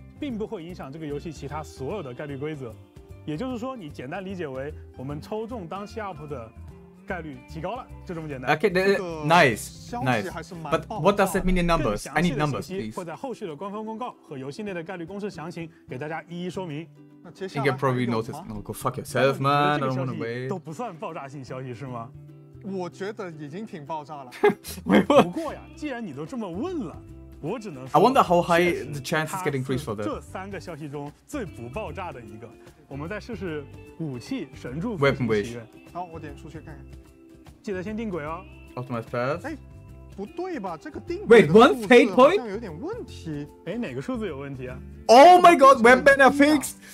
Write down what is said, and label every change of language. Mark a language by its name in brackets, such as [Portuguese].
[Chinese] 并不会影响这个游戏其他所有的概率规则，也就是说，你简单理解为我们抽中当期 UP 的概率提高了，就这么简单。 [English] Okay, nice. But what does that mean in numbers? I need numbers, please. [Chinese] 更详细的信息会在后续的官方公告和游戏内的概率公式详情给大家一一说明。那接下来 [English] you probably notice, no, go fuck yourself, man. I don't want to wait. [Chinese] 都不算爆炸性消息是吗？我觉得已经挺爆炸了。不过呀，既然你都这么问了。我只能说 [English] I wonder how high the chance is getting increased for that. [Chinese] 这三个消息中最不爆炸的一个，我们再试试武器神助复兴祈愿。好，我点出去看看，记得先定轨哦。 [English] Optimize path. [Chinese] 不对吧？这个定轨的数字好像有点问题。哪个数字有问题啊 [English] ？Oh my God, web beta fix.